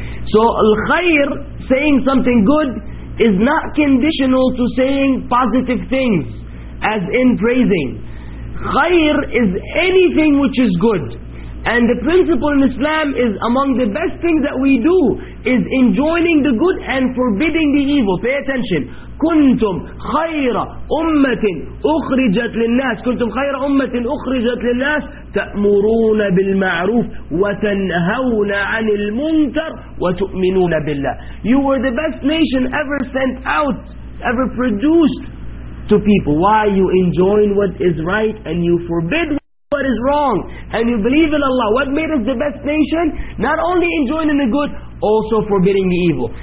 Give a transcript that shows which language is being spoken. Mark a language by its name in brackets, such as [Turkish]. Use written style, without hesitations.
[English] So al-khayr, saying something good, is not conditional to saying positive things, as in praising. Khayr is anything which is good. And the principle in Islam is among the best things that we do is enjoining the good and forbidding the evil. Pay attention. [Arabic] كنتم خير أمة أخرجت للناس. كنتم خير أمة أخرجت للناس تأمرون بالمعروف وتنهون عن المنكر وتؤمنون بالله. [English] You were the best nation ever sent out, ever produced to people. Why? You enjoin what is right and you forbid what is wrong, and you believe in Allah. What made us the best nation? Not only enjoining the good, also forbidding the evil.